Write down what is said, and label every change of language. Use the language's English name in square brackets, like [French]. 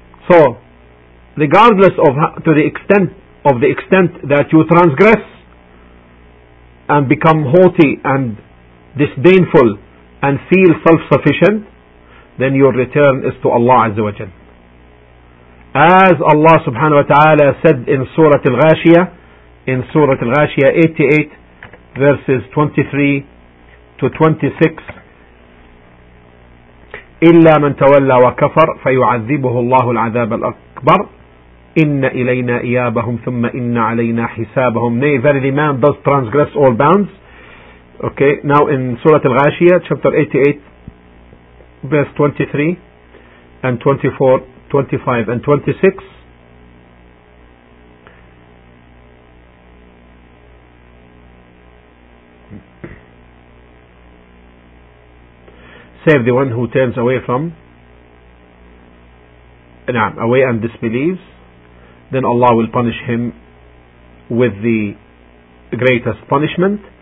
[English] So regardless of the extent that you transgress and become haughty and disdainful and feel self-sufficient, then your return is to Allah Azza wa Jal. As Allah subhanahu wa ta'ala said in Surah Al-Ghashiyah, 88 verses 23 to 26, [Arabic] إِلَّا مَنْ تَوَلَّى وَكَفَرْ فَيُعَذِّبُهُ اللَّهُ الْعَذَابَ الْأَكْبَرْ إِنَّ إِلَيْنَا إِيَابَهُمْ ثُمَّ إِنَّ عَلَيْنَا حِسَابَهُمْ. [English] Nay, verily man does transgress all bounds. Okay, now in Surah Al-Ghashiyah, chapter 88, verse 23 and 24, 25 and 26, save the one who turns away from away and disbelieves, then Allah will punish him with the greatest punishment.